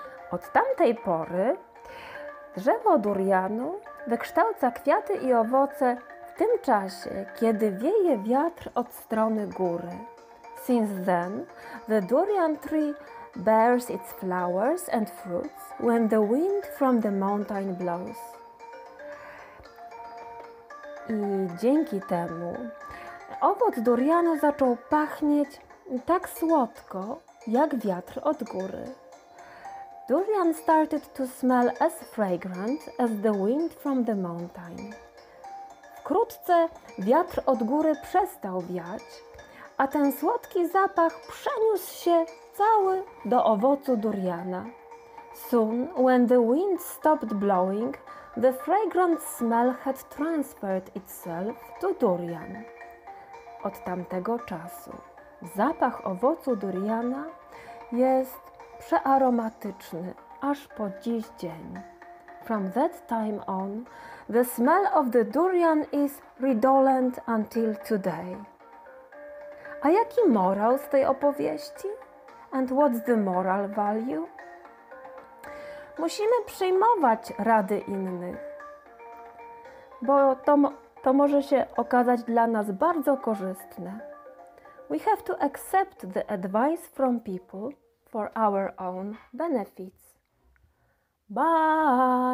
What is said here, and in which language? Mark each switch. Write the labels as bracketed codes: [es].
[pl] Od tamtej pory drzewo durianu wykształca kwiaty i owoce w tym czasie, kiedy wieje wiatr od strony góry. [en] Since then, the durian tree bears its flowers and fruits when the wind from the mountain blows. [pl] I dzięki temu owoc durianu zaczął pachnieć tak słodko, jak wiatr od góry. [en] Durian started to smell as fragrant as the wind from the mountain. [pl] Wkrótce wiatr od góry przestał wiać, a ten słodki zapach przeniósł się cały do owocu duriana. [en] Soon, when the wind stopped blowing, the fragrant smell had transferred itself to durian. [pl] Od tamtego czasu zapach owocu duriana jest przearomatyczny aż po dziś dzień. [en] From that time on, the smell of the durian is redolent until today. [pl] A jaki morał z tej opowieści? [en] And what's the moral value? [pl] Musimy przyjmować rady innych, bo to może się okazać dla nas bardzo korzystne. [en] We have to accept the advice from people for our own benefits. Bye!